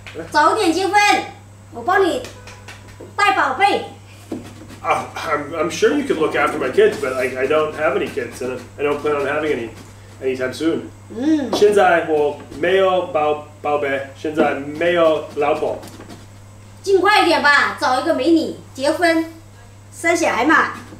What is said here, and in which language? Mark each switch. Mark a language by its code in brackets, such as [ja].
[zh] 早点结婚, 我帮你带宝贝。 [en] I'm sure you could look after my kids, but I don't have any kids, and I don't plan on having any anytime soon. [zh] 现在我没有宝贝,现在没有老婆。尽快一点吧, 找一个美女结婚, 生小孩嘛。